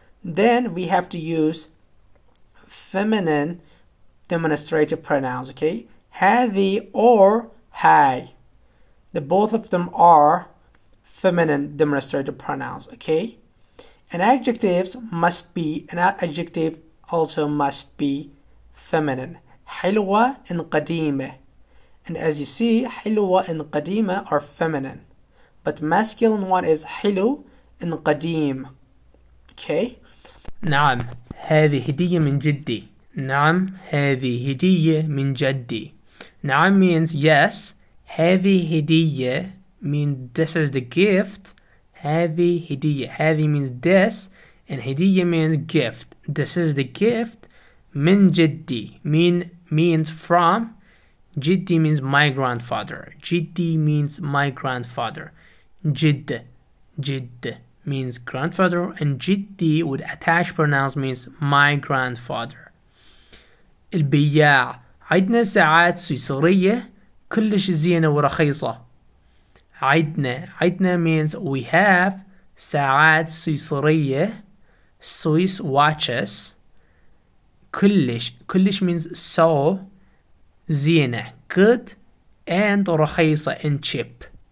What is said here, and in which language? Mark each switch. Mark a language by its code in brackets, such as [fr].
[en] Then we have to use feminine demonstrative pronouns, okay? [ar] هذه or هاي. [en] The both of them are feminine demonstrative pronouns, okay? And adjectives must be, an adjective also must be feminine. [ar] حلوة and قديمة. [en] And as you see, حلوة and قديمة are feminine. But masculine one is حلو and قديم, okay? [ar] نعم هذه هدية من جدي. نعم هذه هدية من جدي. [en] نعم means yes. [ar] هذه هدية [en] means this is the gift. [ar] هذه هدية. [en] هذه means this and هدية means gift. This is the gift [ar] من جدي. [en] Mean means from. جدي means my grandfather. جدي means my grandfather. جد جد means grandfather, and جدي with attached pronouns means my grandfather. [ar] البياع. عندنا ساعات سويسرية كلش زينة ورخيصة. [en] عندنا means we have [ar] ساعات سويسرية [en] Swiss watches كلش means so زينة good and رخيصة and cheap.